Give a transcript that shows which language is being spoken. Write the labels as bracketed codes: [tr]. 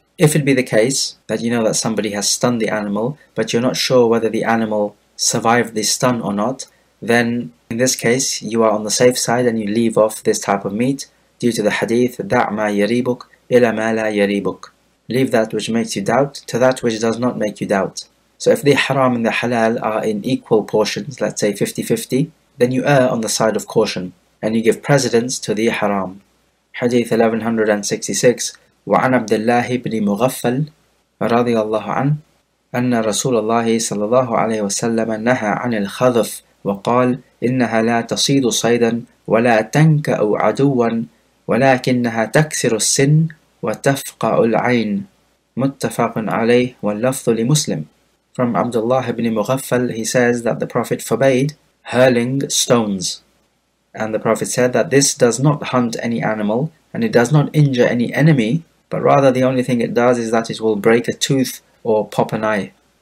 [en] If it be the case that you know that somebody has stunned the animal, but you're not sure whether the animal survived the stun or not, then in this case you are on the safe side and you leave off this type of meat due to the hadith, [ar] دَعْ مَا يَرِيبُكْ إِلَى مَا لَا يَرِيبُكْ. [en] Leave that which makes you doubt to that which does not make you doubt. So if the haram and the halal are in equal portions, let's say 50-50, then you err on the side of caution and you give precedence to the haram. Hadith 1166, [ar] وعن عبد الله بن مغفل رضي الله عنه أن رسول الله صلى الله عليه وسلم نهى عن الخذف وقال إنها لا تصيد صيدا ولا تنكأ عدوا ولكنها تكسر السن وتفقع العين. متفق عليه واللفظ لمسلم. [en] From Abdullah ibn Mughaffal, he says that the Prophet forbade hurling stones. And the Prophet said that this does not hunt any animal and it does not injure any enemy, but rather the only thing it does is that it will break a tooth or pop an eye.